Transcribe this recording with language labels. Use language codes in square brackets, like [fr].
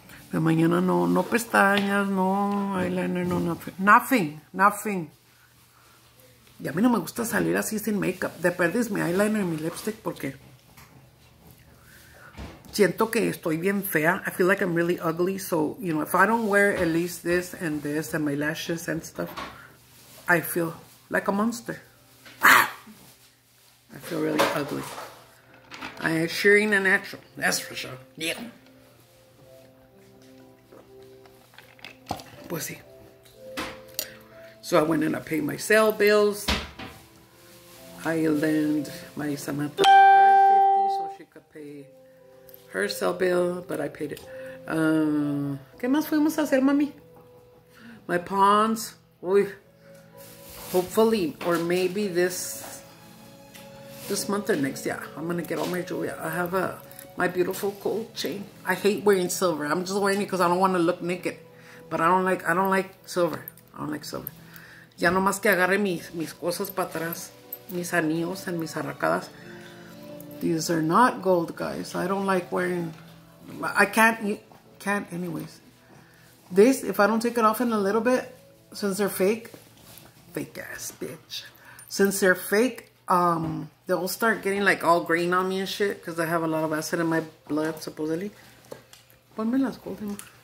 [es] De mañana no pestañas, no eyeliner, [en] no nothing. Nothing. [es] Y a mí no me gusta salir así sin makeup. De perdiz mi eyeliner y mi lipstick, porque siento que estoy bien fea. [en] I feel like I'm really ugly. So, you know, if I don't wear at least this and this and my lashes and stuff, I feel like a monster. I feel really ugly. I sure ain't a natural. That's for sure. Yeah. Pussy. So I went and I paid my cell bills. I lent my Samantha $50 so she could pay her cell bill, but I paid it. [es] ¿Qué más fuimos a hacer, mami? [en] My pawns. [es] Uy. [en] Hopefully, or maybe this month or next. Yeah, I'm going to get all my jewelry. I have my beautiful gold chain. I hate wearing silver. I'm just wearing it because I don't want to look naked. But I don't like silver. I don't like silver. [es] Ya nomás que agarre mis cosas para atrás. Mis anillos [en] and [es] mis arracadas. [en] These are not gold, guys. I don't like wearing... I can't anyways. This, if I don't take it off in a little bit, since they're fake, fake ass bitch. Since they're fake, they'll start getting like all green on me and shit because I have a lot of acid in my blood, supposedly. [es] Ponme las golden.